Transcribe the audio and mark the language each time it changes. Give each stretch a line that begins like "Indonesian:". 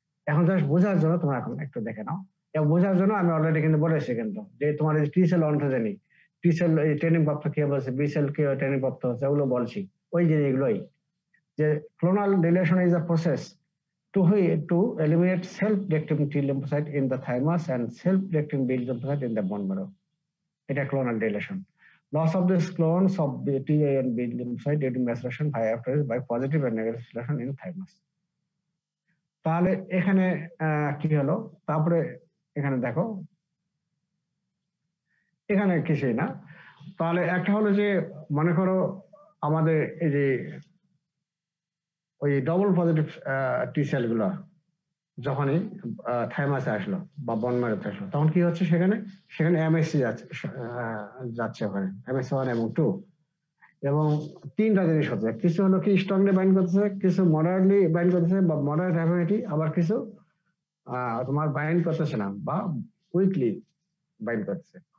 Bangla: এখন জাস্ট বোঝার জন্য তোমার এখন একটু দেখে নাও, এটা বোঝার জন্য আমি অলরেডি কিন্তু বলেছি কিন্তু যে তোমার এই টি সেল অন্টোজেনিক, টি সেল এই ট্রেনিং প্রাপ্ত কে বলছে, বি সেল কে ট্রেনিং প্রাপ্ত হচ্ছে, ওগুলো বলছি ওই জিনিসগুলোই, যে
English: clonal deletion is a process to which to eliminate self reactive T lymphocyte in the thymus and self reactive B lymphocyte in the bone marrow,
Bangla: এটা clonal deletion.
English: Loss of these clones of the T and B lymphocyte due to maceration by apoptosis by positive and negative selection in thymus.
Bangla: তাহলে এখানে কি হলো, তারপরে এখানে দেখো এখানে কিছুই না, তাহলে একটা হলো যে মনে করো আমাদের এই যে ওই ডবল পজিটিভ টি সেল গুলো যখনই থাইমাসে আসলো বা বন মেরোতে আসলো তখন কি হচ্ছে, সেখানে সেখানে এমএসসি যাচ্ছে ওখানে, এমএসসি ওয়ান এবং টু, এবং তিনটা জিনিস হচ্ছে, কিছু হলো কি স্ট্রংলি বাইন্ড করতেছে, কিছু মডারেটলি বাইন্ড করতেছে বা মডারেট অ্যাফিনিটি, আবার কিছু তোমার বাইন্ড করতেছে না বা উইকলি বাইন্ড করতেছে।